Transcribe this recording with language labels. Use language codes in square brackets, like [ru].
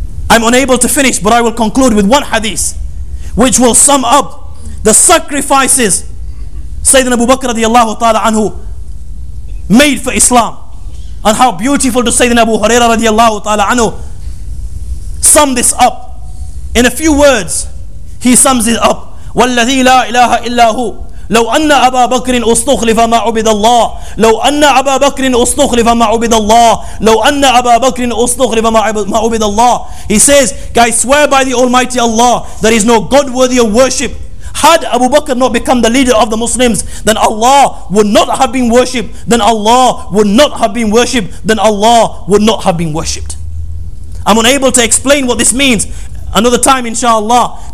[en] I'm unable to finish, but I will conclude with one hadith which will sum up the sacrifices Sayyidina Abu Bakr radiallahu ta'ala anhu made for Islam, and how beautiful does Sayyidina Abu Huraira radiallahu ta'ala anhu sum this up. In a few words, he sums it up. [ar] وَالَّذِي لَا إِلَهَ إِلَّا هُوَ لو أن أبا بكر أستخلف ما عبد الله لو أن أبا بكر أستخلف ما عبد الله لو أن أبا بكر أستخلف ما عبد الله. [en] He says, guys, swear by the Almighty Allah, there is no God worthy of worship. Had Abu Bakr not become the leader of the Muslims, then Allah would not have been worshipped. Then Allah would not have been worshipped. Then Allah would not have been worshipped. I'm unable to explain what this means. Another time, inshallah.